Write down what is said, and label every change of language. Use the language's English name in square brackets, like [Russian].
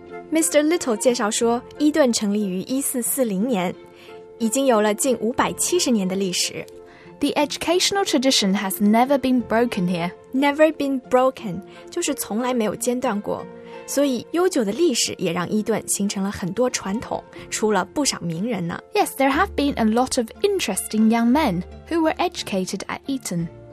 [Chinese] Mr. Little 介绍说，伊顿成立于1440年，已经有了近570年的历史。 [English] The educational tradition has never been broken here. Never been broken, [Chinese] 就是从来没有间断过。所以悠久的历史也让伊顿形成了很多传统，出了不少名人呢。 [English] Yes, there have been a lot of interesting young men who were educated at Eton.